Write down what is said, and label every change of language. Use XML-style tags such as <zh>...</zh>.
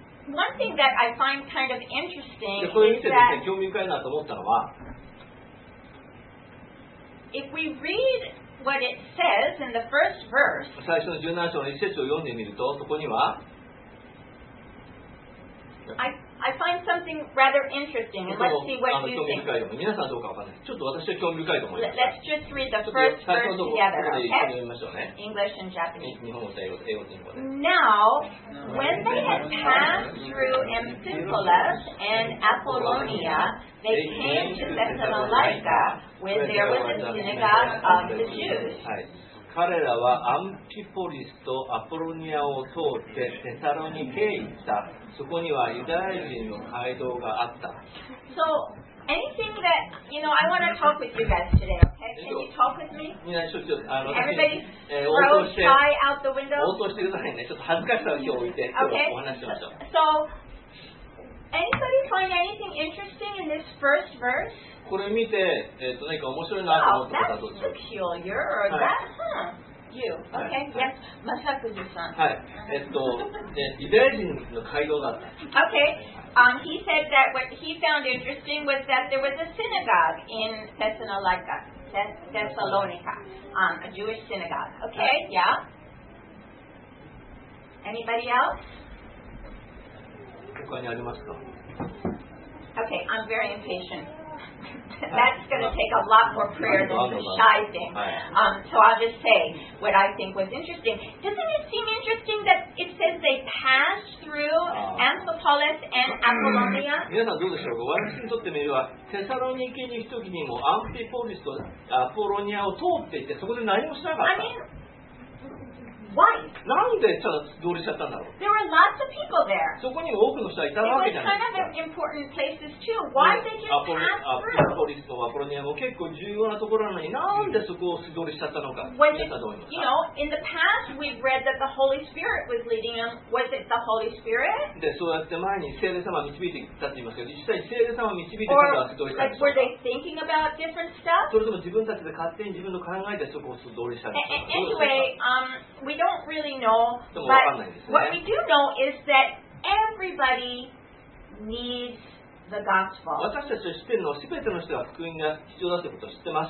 <en>One thing that I find kind of interesting is that if we read what it says in the first verse,</en> <ja>最初の17章の一節を読んでみると、そこには</ja> <en>I find something rather interesting, and let's see what you think.</en> <ja>皆さんどうかわかんない。ちょっと私は興味深いと思います。</ja> <en>Let's just read the first verse together.</en> <ja>ちょっと最初のところで読みましょうね。</ja> <en>English and Japanese.</en> <ja>日本語と英語と英語と英語で。</ja> <en>Now, when they had passed through Amphipolis and Apollonia, they came to Thessalonica, where there was a synagogue of the Jews.</en> <ja>彼らはアンピポリスとアポロニアを通ってテサロニケへ行った。そこにはユダヤ人の街道があった。</ja> <en>So, anything that, you know, I want to talk with you guys today, okay? Can you talk with me? Everybody throw shy out the window?</en> <ja>応答してくださいね。ちょっと恥ずかしさを今日置いて、今日お話ししましょう。</ja> <en>So, anybody find anything interesting in this first verse?</en> <ja>これ見て、何か面白いなと思ったことはどうです</ja> <en>か？Peculiar, or that, You, okay? Yes, Masakuji-san.</en> <ja>はい。ユダヤ人の街道だった。</ja> <en>Okay. He said that what he found interesting was that there was a synagogue in Thessalonica, a Jewish synagogue. Okay, yeah. Anybody else?</en> <ja>他にありますか?</ja> <en>Okay, I'm very impatient. That's going to take a lot more prayer than the shy thing. So I'll just say what I think was interesting. Doesn't it seem interesting that it says they passed through Amphipolis and Apollonia?</en> <ja>皆さんどうでしょうか?私にとってみれば、テサロニケに行くときにもアンフィポリスとアポロニアを通っていて、そこで何もしなかった。</ja> <en>Why?</en> <ja>なんでちょっと通りしちゃったんだろう?</ja> <en>There were lots of people there.</en> <ja>そこに多くの人がいたわけじゃないですか。</ja> <en>Kind of important places too. Why did they just pass through?</en> <ja>アポリスとアポロニアも結構重要なところなのに、なんでそこを通りしちゃったのか。</ja> <en>When you know, in the past we've read that the Holy Spirit was leading them. Was it the Holy Spirit?</en> <ja>で、そうやって前に聖霊様が導いてきたって言いますけど、実際に聖霊様が導いてきたから通りしたんですか?</ja> <en>Or like, were they thinking about different stuff?</en> <ja>それとも自分たちで勝手に自分の考えでそこを通りしたんですか?</ja> <en>Anyway, we don't really know, but what we do know is that everybody needs the gospel.</en> <ja>私たちは知ってるのは、すべての人が福音が必要だということを知ってます。</ja>